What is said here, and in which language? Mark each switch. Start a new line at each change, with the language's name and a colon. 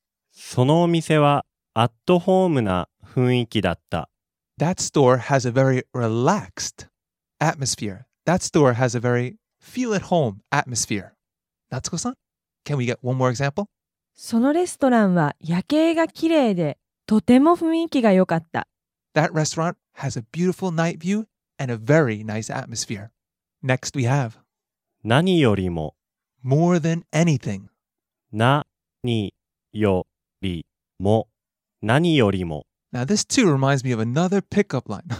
Japanese: そのお店はアットホームな雰囲気だった。
English: That store has a very relaxed atmosphere. That store has a very feel at home atmosphere. Natsuko-san, can we get one more example?
Japanese: そのレストランは夜景がきれいで、とても雰囲気が良かった。
English: That restaurant has a beautiful night view and a very nice atmosphere. Next we have
Japanese: 何よりも
English: More than anything
Japanese: 何より も, 何よりも
English: Now this too reminds me of another pickup line.